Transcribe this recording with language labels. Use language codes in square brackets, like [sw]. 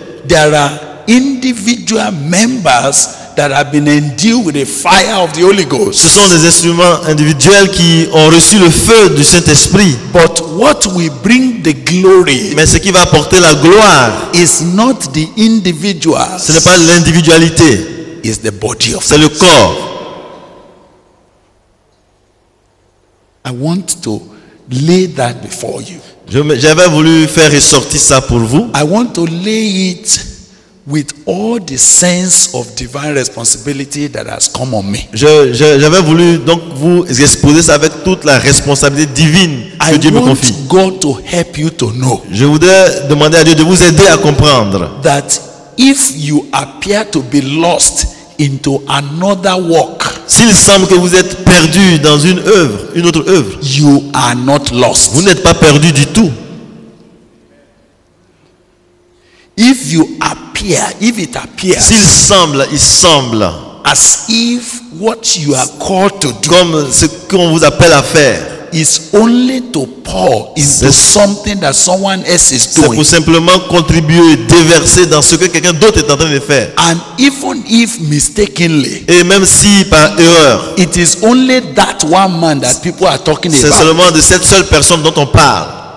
[en] There are individual members that have been endued with the fire of the Holy Ghost. [fr] Ce sont des instruments individuels qui ont reçu le feu du Saint-Esprit. [en] But what will bring the glory? [fr] Mais ce qui va apporter la gloire [en] is not the individual. [fr] Ce n'est pas l'individualité. [en] Is the body of. [fr] C'est le corps. [en] I want to lay that before you. [fr] J'avais voulu faire ressortir ça pour vous. [en] I want to lay it with all the sense of divine responsibility that has come on me. [fr] J'avais voulu donc vous exposer ça avec toute la responsabilité divine que Dieu me confie. [en] I want God to help you to know. [fr] Je voudrais demander à Dieu de vous aider à comprendre. [en] That if you appear to be lost into another work. [fr] S'il semble que vous êtes perdu dans une œuvre, une autre œuvre, [en] you are not lost. [fr] Vous n'êtes pas perdu du tout. [en] If you appear, if it appears, [fr] s'il semble, il semble, [en] as if what you are called to do, [fr] comme ce qu'on vous appelle à faire, [en] is only to pour into something that someone else is doing. [fr] C'est pour simplement contribuer, déverser dans ce que quelqu'un d'autre est en train de faire. [en] And even if mistakenly, [fr] et même si par erreur, [en] it is only that one man that people are talking [fr] c'est [en] about. [fr] C'est seulement de cette seule personne dont on parle.